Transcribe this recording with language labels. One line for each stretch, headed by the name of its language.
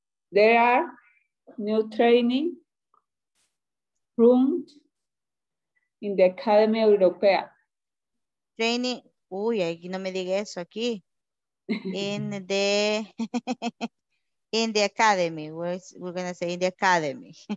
English: There are new training rooms in the Academy Europea.
Spanish: Training, uy, aquí no me diga eso aquí.
English: In the in the academy, we're gonna say in the academy.